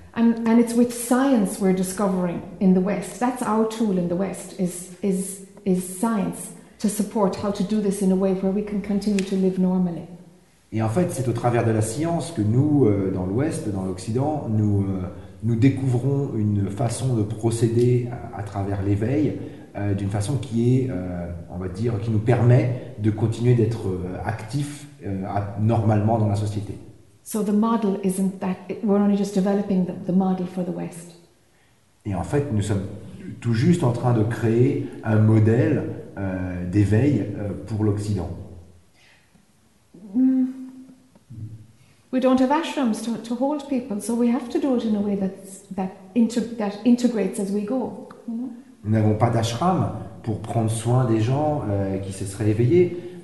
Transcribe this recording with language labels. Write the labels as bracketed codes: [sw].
[en] And it's with science we're discovering in the West. That's our tool in the West is science to support how to do this in a way where we can continue to live normally. [fr] Et en fait, c'est au travers de la science que nous, dans l'Ouest, dans l'Occident, nous découvrons une façon de procéder à travers l'éveil d'une façon qui est, on va dire, qui nous permet de continuer d'être actifs normalement dans la société. [en] So the model isn't that we're only just developing the model for the West. [fr] Et en fait, nous sommes tout juste en train de créer un modèle d'éveil pour l'Occident. [en] We don't have ashrams to hold people, so we have to do it in a way that integrates as we go. You know? [fr] Nous n'avons pas d'ashram pour prendre soin des gens qui se seraient éveillés.